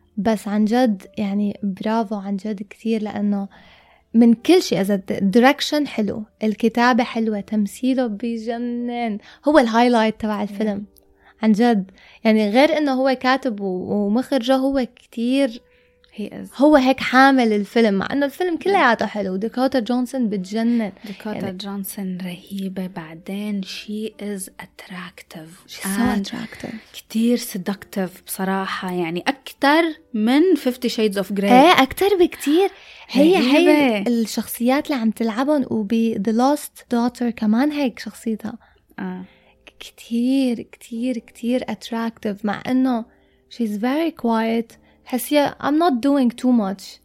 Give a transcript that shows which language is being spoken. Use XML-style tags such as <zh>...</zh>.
<ar>بس عن جد يعني برافو عن جد كثير، لأنه من كل شيء، إذا direction حلو، الكتابة حلوة، تمثيله بجنن، هو الهايلايت تبع الفيلم. عن جد يعني غير إنه هو كاتب ومخرجه، هو كثير هو هيك حامل الفيلم، مع أنه الفيلم كله عاطة حلو. داكوتا جونسون بتجنن، داكوتا يعني جونسون رهيبة. بعدين</ar> <en>she is attractive. She's so attractive.</en> <ar>كتير seductive بصراحة، يعني أكتر من 50 shades of grey. ايه أكتر بكتير. هي رهيبة. هي الشخصيات اللي عم تلعبهم، وبي The Lost Daughter كمان هيك شخصيتها. كتير كتير كتير attractive، مع أنه</ar> <en>she's very quiet.</en> <ar>حسيا</ar> <en>I'm not doing too much.</en>